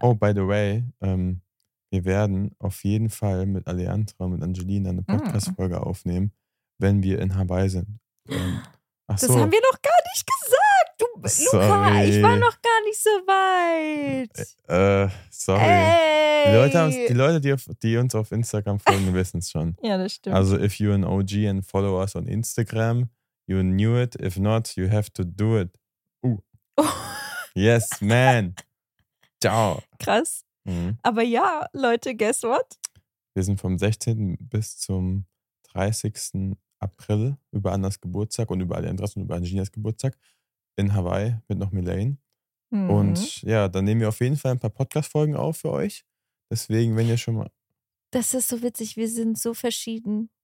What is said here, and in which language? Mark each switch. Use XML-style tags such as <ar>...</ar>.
<en>Oh, by the way,</en> <de>wir werden auf jeden Fall mit Alejandra und Angelina eine Podcast-Folge aufnehmen, wenn wir in Hawaii sind. Das haben wir noch gar nicht gesagt. Du, sorry. Luca, ich war noch gar nicht so weit. Sorry. Ey. Die Leute, die uns auf Instagram folgen, wissen es schon. Ja, das stimmt.</de> <en>Also, if you're an OG and follow us on Instagram... You knew it. If not, you have to do it. Yes, man. Ciao.</en> <de>Krass. Mhm. Aber ja, Leute,</de> <en>guess what?</en> <de>Wir sind vom 16. bis zum 30. April über Annas Geburtstag und über Alejandras und über Anginas Geburtstag in Hawaii mit noch Melaine. Mhm. Und ja, dann nehmen wir auf jeden Fall ein paar Podcast-Folgen auf für euch. Deswegen, wenn ihr schon mal... Das ist so witzig. Wir sind so verschieden.</de>